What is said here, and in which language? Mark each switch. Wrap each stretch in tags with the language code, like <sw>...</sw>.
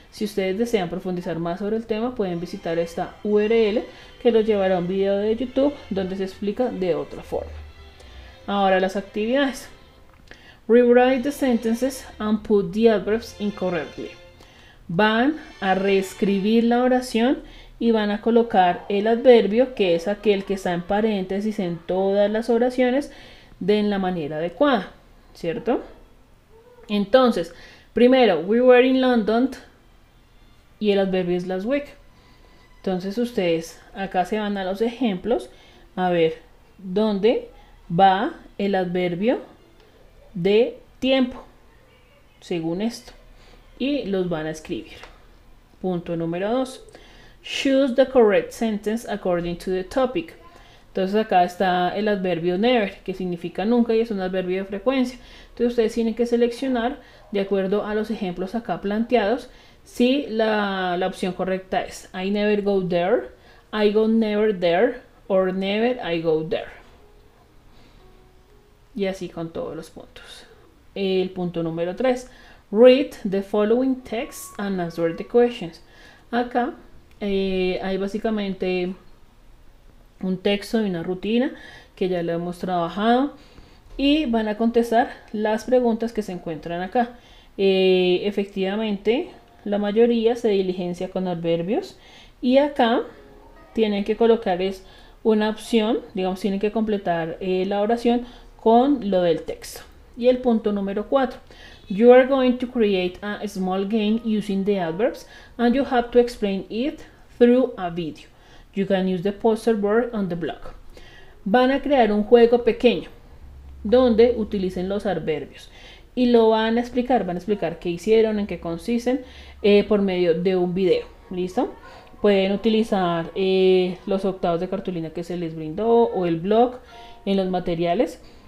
<es>Si ustedes desean profundizar más sobre el tema, pueden visitar esta URL que los llevará a un video de YouTube donde se explica de otra forma. Ahora las actividades.</es> <en>Rewrite the sentences and put the adverbs incorrectly.</en> <es>Van a reescribir la oración y van a colocar el adverbio, que es aquel que está en paréntesis en todas las oraciones, de en la manera adecuada. ¿Cierto? Entonces, primero,</es> <en>we were in London,</en> <es>y el adverbio es</es> <en>last week.</en> <es>Entonces ustedes acá se van a los ejemplos a ver dónde va el adverbio de tiempo, según esto, y los van a escribir. Punto número 2.</es> <en>Choose the correct sentence according to the topic.</en> <es>Entonces acá está el adverbio never, que significa nunca y es un adverbio de frecuencia. Entonces ustedes tienen que seleccionar, de acuerdo a los ejemplos acá planteados, si la opción correcta es</es> <en>I never go there,</en> <es>I go never there, or never I go there. Y así con todos los puntos. El punto número 3.</es> <en>Read the following text and answer the questions.</en> <es>Acá hay básicamente un texto y una rutina que ya lo hemos trabajado y van a contestar las preguntas que se encuentran acá. Efectivamente, la mayoría se diligencia con adverbios y acá tienen que colocarles una opción, digamos, tienen que completar la oración con lo del texto. Y el punto número 4.</es> <en>You are going to create a small game using the adverbs and you have to explain it through a video. You can use the poster board on the blog.</en> <es>Van a crear un juego pequeño donde utilicen los adverbios y lo van a explicar. Van a explicar qué hicieron, en qué consisten por medio de un video. ¿Listo? Pueden utilizar los octavos de cartulina que se les brindó o el blog en los materiales.</es>